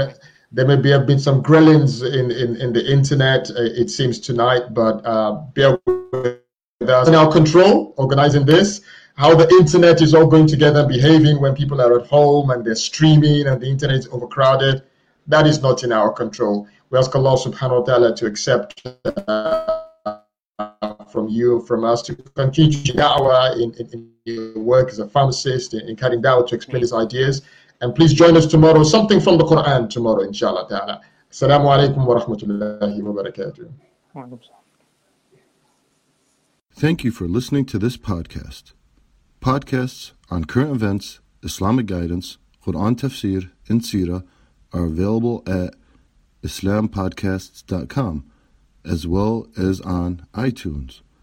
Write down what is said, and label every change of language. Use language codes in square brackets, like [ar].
[en] Inshallah, there may have been some gremlins in the internet, it seems, tonight, but bear with us. In our control, organizing this, how the internet is all going together and behaving when people are at home and they're streaming and the internet is overcrowded, that is not in our control. We ask Allah subhanahu wa ta'ala to accept from you, from us, to continue to da'wah in your work as a pharmacist, in carrying da'wah to explain his ideas. And please join us tomorrow, something from the Quran tomorrow, inshallah ta'ala. [ar] السلام عليكم ورحمة الله وبركاته. [en] Thank you for listening to this podcast. Podcasts on current events, Islamic guidance, Quran tafsir, and Sira are available at islampodcasts.com as well as on iTunes.